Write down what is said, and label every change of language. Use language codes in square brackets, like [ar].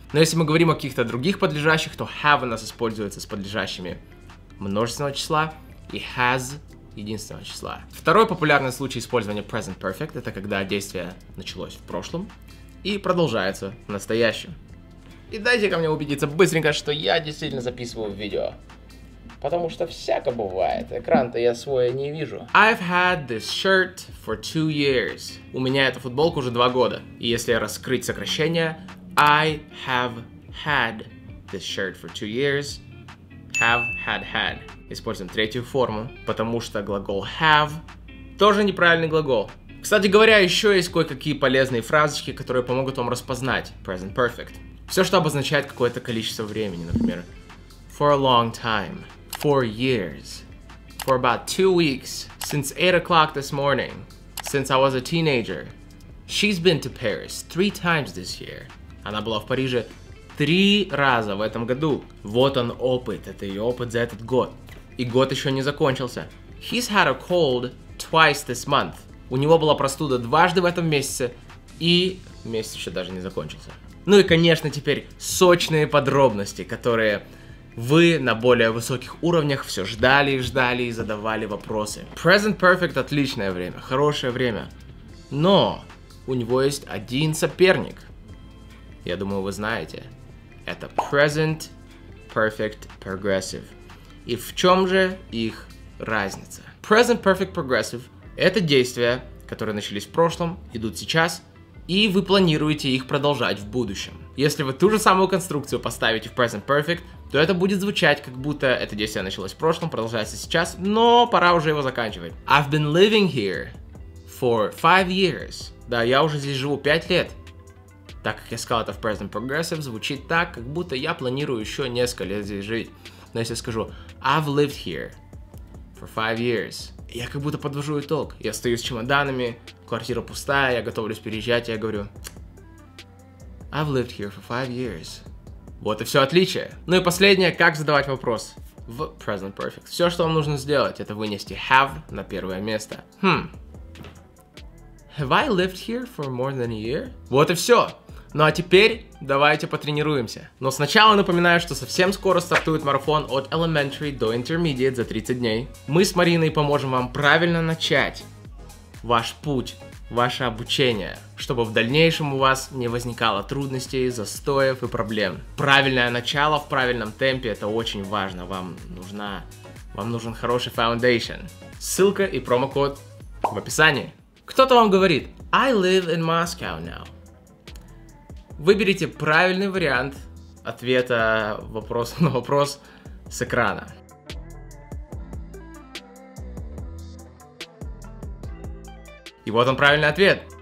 [ru] Но если мы говорим о каких-то других подлежащих, то have у нас используется с подлежащими множественного числа и has единственного числа. Второй популярный случай использования present perfect — это когда действие началось в прошлом и продолжается в настоящем. И дайте-ка мне убедиться быстренько, что я действительно записываю видео. Потому что всяко бывает. Экран-то я свой не вижу. [en] I've had this shirt for 2 years. [ru] У меня эта футболка уже 2 года. И если раскрыть сокращение, [en] I have had this shirt for 2 years. Have, had, had. [ru] Используем третью форму, потому что глагол have тоже неправильный глагол. Кстати говоря, еще есть кое-какие полезные фразочки, которые помогут вам распознать present perfect. Все, что обозначает какое-то количество времени, например, [en] for a long time. For years, for about 2 weeks, since 8 o'clock this morning, since I was a teenager. She's been to Paris 3 times this year. [ru] Она была в Париже 3 раза в этом году. Вот он опыт, это ее опыт за этот год. И год еще не закончился. [en] He's had a cold twice this month. [ru] У него была простуда 2 раза в этом месяце, и месяц еще даже не закончился. Ну и, конечно, теперь сочные подробности, которые вы на более высоких уровнях все ждали и ждали и задавали вопросы. Present Perfect — отличное время, хорошее время. Но у него есть один соперник. Я думаю, вы знаете. Это Present Perfect Progressive. И в чем же их разница? Present Perfect Progressive — это действия, которые начались в прошлом, идут сейчас, и вы планируете их продолжать в будущем. Если вы ту же самую конструкцию поставите в Present Perfect, то это будет звучать, как будто это действие началось в прошлом, продолжается сейчас, но пора уже его заканчивать. [en] I've been living here for 5 years. [ru] Да, я уже здесь живу 5 лет. Так как я сказал это в Present Progressive, звучит так, как будто я планирую еще несколько лет здесь жить. Но если я скажу [en] I've lived here for 5 years, [ru] я как будто подвожу итог. Я стою с чемоданами, квартира пустая, я готовлюсь переезжать, я говорю [en] I've lived here for 5 years. [ru] Вот и все отличие. Ну и последнее, как задавать вопрос в Present Perfect. Все, что вам нужно сделать, это вынести have на первое место. [en] Have I lived here for more than a year? [ru] Вот и все. Ну а теперь давайте потренируемся. Но сначала напоминаю, что совсем скоро стартует марафон от Elementary до Intermediate за 30 дней. Мы с Мариной поможем вам правильно начать ваш путь, ваше обучение, чтобы в дальнейшем у вас не возникало трудностей, застоев и проблем. Правильное начало в правильном темпе — это очень важно. Вам нужен хороший foundation. Ссылка и промокод в описании. Кто-то вам говорит [en] I live in Moscow now. [ru] Выберите правильный вариант ответа вопроса на вопрос с экрана. И вот он правильный ответ.